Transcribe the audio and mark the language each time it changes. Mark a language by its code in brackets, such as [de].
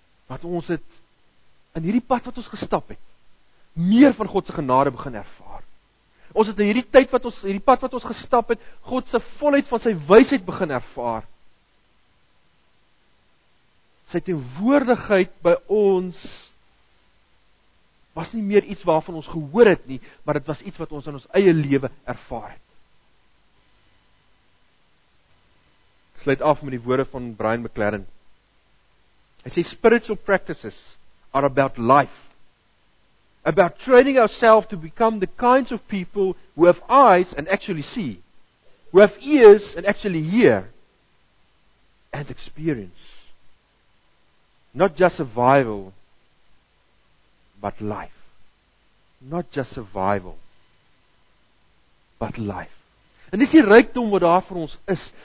[af] Want ons het, in hierdie pad wat ons gestap het, meer van Godse genade begin ervaar. Ons het in hierdie tyd wat ons, hierdie pad wat ons gestap het, Godse volheid van sy wysheid begin ervaar. Sy teenwoordigheid by ons, was nie meer iets waarvan ons gehoor het nie, maar het was iets wat ons in ons eie lewe ervaar het. Ek sluit af met die woorde van Brian McLaren. Hy sê, [en] spiritual practices are about life, about training ourselves to become the kinds of people who have eyes and actually see, who have ears and actually hear, and experience. Not just survival, but life. Not just survival, but life. [af] En dis die rykdom wat daar vir ons is.